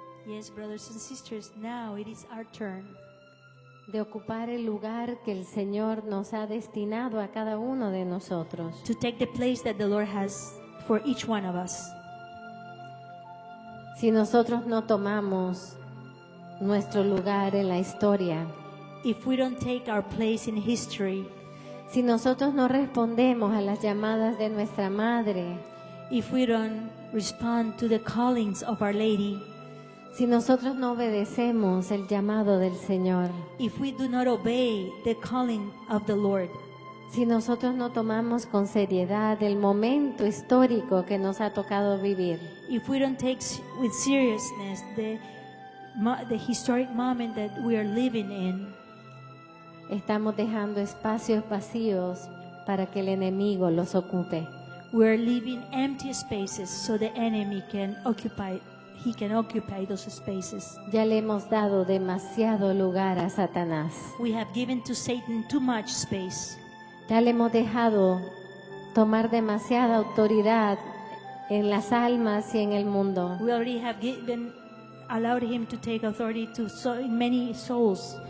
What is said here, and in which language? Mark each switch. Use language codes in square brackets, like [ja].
[en] Yes, brothers and sisters, now it is our turn. [es] De ocupar el lugar que el Señor nos ha destinado a cada uno de nosotros. [en] To take the place that the Lord has for each one of us. [es] Si nosotros no tomamos nuestro lugar en la historia, [en] if we don't take our place in history, [es] si nosotros no respondemos a las llamadas de nuestra madre, [en] if we don't respond to the callings of Our Lady. [es] Si nosotros no obedecemos el llamado del Señor. [en] If we do not obey the calling of the Lord. [es] Si nosotros no tomamos con seriedad el momento histórico que nos ha tocado vivir. [en] If we don't take with seriousness the historic moment that we are living in. [es] Estamos dejando espacios vacíos para que el enemigo los ocupe. [en] We are leaving empty spaces so the enemy can occupy. He can occupy those spaces. [es] Ya le hemos dado demasiado lugar a Satanás. [en] We have given to Satan too much space. [es] Ya le hemos dejado tomar demasiada autoridad en las almas y en el mundo. [en] We already have allowed him to take authority in many souls.